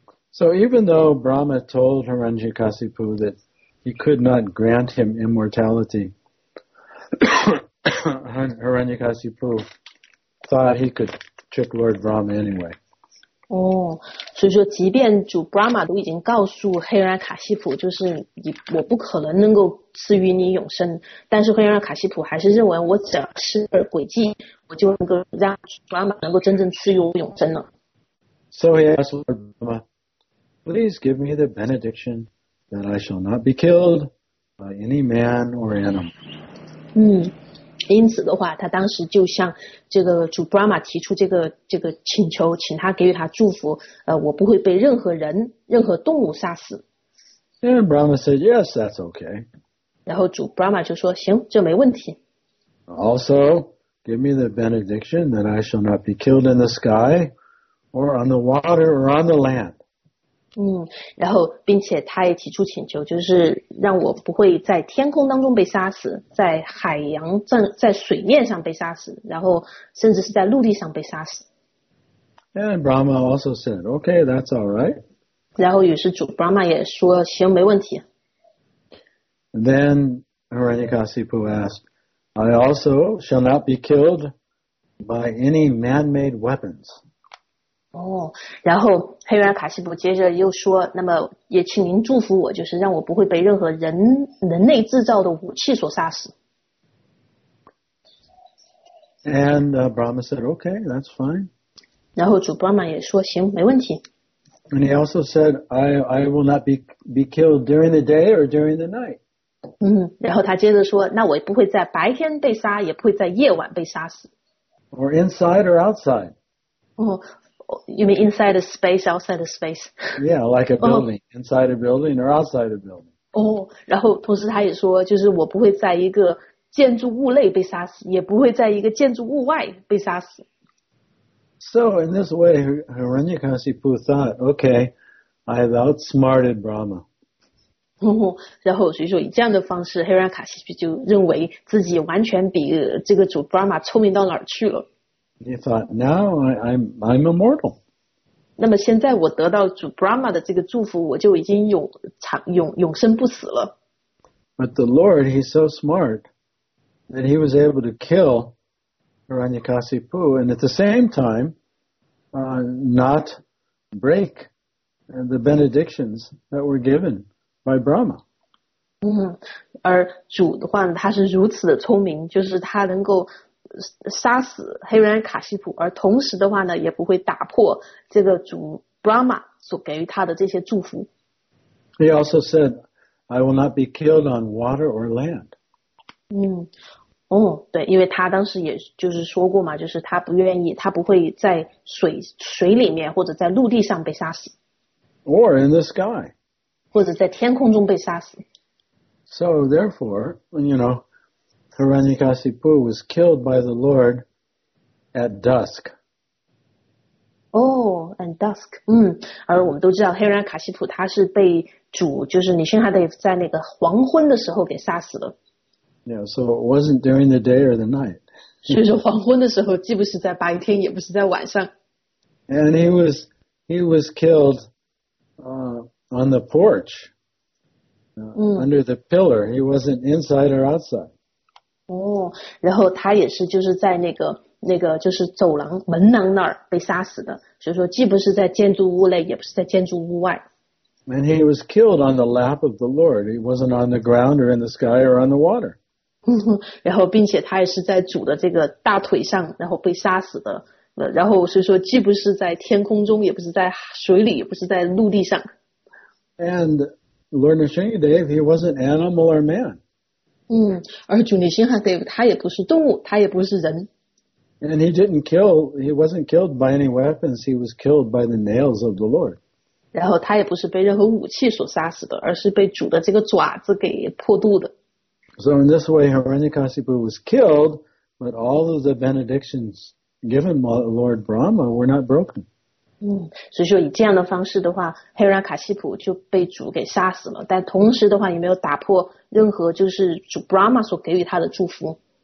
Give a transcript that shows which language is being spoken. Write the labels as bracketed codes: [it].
[en] So even though Brahma told Hiranyakasipu that he could not grant him immortality, Hiranyakasipu thought he could trick Lord Brahma anyway. [zh] 所以说即便主 Brahma 都已经告诉黑人卡西普，就是我不可能能够赐予你永生，但是黑人卡西普还是认为我只要施诡计，我就能够让 Brahma 能够真正赐予我永生了。 [en] So he asked Lord Brahma, please give me the benediction that I shall not be killed by any man or animal. [zh] 因此的话，他当时就向这个主 Brahma 提出这个请求，请他给予他祝福。我不会被任何人、任何动物杀死。 [en] And Brahma said, "Yes, that's okay." [zh] 然后主 Brahma 就说：“行，这没问题。” [en] Also, give me the benediction that I shall not be killed in the sky, or on the water, or on the land. [zh] 然后并且他也提出请求，就是让我不会在天空当中被杀死，在海洋在水面上被杀死，然后甚至是在陆地上被杀死。 [en] And Brahma also said, "Okay, that's all right." [zh] 然后于是主 Brahma 也说行，没问题。 [en] Then Hiranyakasipu asked, "I also shall not be killed by any man-made weapons." [zh] 然后黑人卡西普接着又说，那么也请您祝福我，就是让我不会被任何人类制造的武器所杀死。 [en] And Brahma said, "Okay, that's fine." [zh] 然后主 Brahma 也说，行，没问题。 [en] And he also said, I will not be killed during the day or during the night." [zh] 然后他接着说，那我不会在白天被杀，也不会在夜晚被杀死。 [en] Or inside or outside. You mean inside a space, outside a space? Yeah, like a building, inside a building or outside a building. [zh] 然后同时他也说，就是我不会在一个建筑物内被杀死，也不会在一个建筑物外被杀死。 [en] So in this way, Hiranyakasipu thought, okay, I have outsmarted Brahma. [zh] 然后所以说以这样的方式，黑人卡西普就认为自己完全比这个主 Brahma 聪明到哪儿去了。 [en] He thought, now I'm immortal. [zh] 那么现在我得到主 Brahma 的这个祝福，我就已经永生不死了。 [en] But the Lord, he's so smart that he was able to kill Hiranyakasipu and at the same time, not break the benedictions that were given by Brahma. [zh] 而主的话呢，他是如此的聪明，就是他能够杀死黑人卡西普，而同时的话呢，也不会打破这个主 Brahma 所给予他的这些祝福。 [en] He also said, "I will not be killed on water or land." [zh] 对，因为他当时也就是说过嘛，就是他不愿意，他不会在水里面或者在陆地上被杀死。 [en] Or in the sky. [zh] 或者在天空中被杀死。 [en] So therefore, you know. Hiranyakasipu was killed by the Lord at dusk. At dusk. [zh] 而我们都知道黑人卡西普他是被主就是尼辛哈德在那个黄昏的时候给杀死了。 [en] Yeah, so it wasn't during the day or the night. [zh] 所以说黄昏的时候既不是在白天也不是在晚上。 [en] And he was killed on the porch under the pillar. He wasn't inside or outside. [zh] 哦，然后他也是就是在那个就是走廊门廊那儿被杀死的，所以说既不是在建筑物内，也不是在建筑物外。 [en] And he was killed on the lap of the Lord. He wasn't on the ground or in the sky or on the water. [zh] 然后并且他也是在主的这个大腿上，然后被杀死的。然后所以说既不是在天空中，也不是在水里，也不是在陆地上。 [en] And Lord Nishinga Dave, he wasn't animal or man. [zh] 而主Nishinga Dave他也不是动物，他也不是人。 [en] And he wasn't killed by any weapons, he was killed by the nails of the Lord. [zh] 然后他也不是被任何武器所杀死的，而是被主的这个爪子给破肚的。 [en] So in this way, Hiranyakashipu was killed, but all of the benedictions given by Lord Brahma were not broken. [zh] 所以说以这样的方式的话 ,Hiranyakashipu 就被主给杀死了，但同时的话也没有打破任何就是主 Brahma 所给予他的祝福。